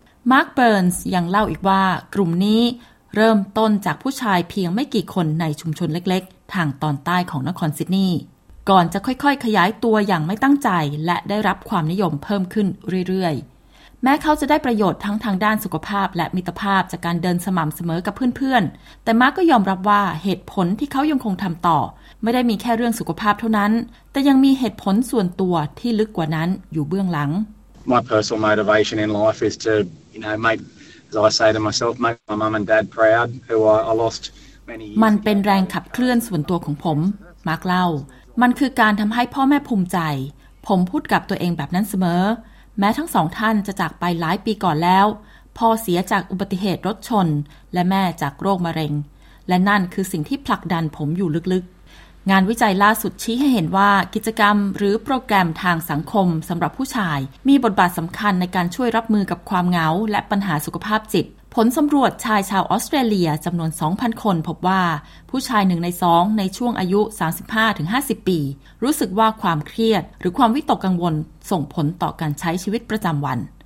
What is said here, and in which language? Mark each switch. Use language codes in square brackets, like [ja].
[th] มาร์คเบิร์นส์ยังเล่าอีกว่ากลุ่มนี้เริ่มต้นจากผู้ชายเพียงไม่กี่คนในชุมชนเล็กๆทางตอนใต้ของนครซิดนีย์ก่อนจะค่อยๆขยายตัวอย่างไม่ตั้งใจและได้รับความนิยมเพิ่มขึ้นเรื่อยๆแม้เขาจะได้ประโยชน์ทั้งทางด้านสุขภาพและมิตรภาพจากการเดินสม่ำเสมอกับเพื่อนๆแต่มาร์กก็ยอมรับว่าเหตุผลที่เขายังคงทำต่อไม่ได้มีแค่เรื่องสุขภาพเท่านั้นแต่ยังมีเหตุผลส่วนตัวที่ลึกกว่านั้นอยู่เบื้องหลัง [en] My personal motivation in life is to you know make as I say to myself make my mum and dad proud who I lost many [th] มันเป็นแรงขับเคลื่อนส่วนตัวของผมมาร์กเล่ามันคือการทำให้พ่อแม่ภูมิใจผมพูดกับตัวเองแบบนั้นเสมอแม้ทั้งสองท่านจะจากไปหลายปีก่อนแล้วพ่อเสียจากอุบัติเหตุรถชนและแม่จากโรคมะเร็ง และนั่นคือสิ่งที่ผลักดันผมอยู่ลึกๆงานวิจัยล่าสุดชี้ให้เห็นว่ากิจกรรมหรือโปรแกรมทางสังคมสำหรับผู้ชายมีบทบาทสำคัญในการช่วยรับมือกับความเหงาและปัญหาสุขภาพจิตผลสำรวจชายชาวออสเตรเลียจำนวน 2,000 คนพบว่าผู้ชาย1ใน2ในช่วงอายุ 35-50 ปีรู้สึกว่าความเครียดหรือความวิตกกังวลส่งผลต่อการใช้ชีวิตประจำวัน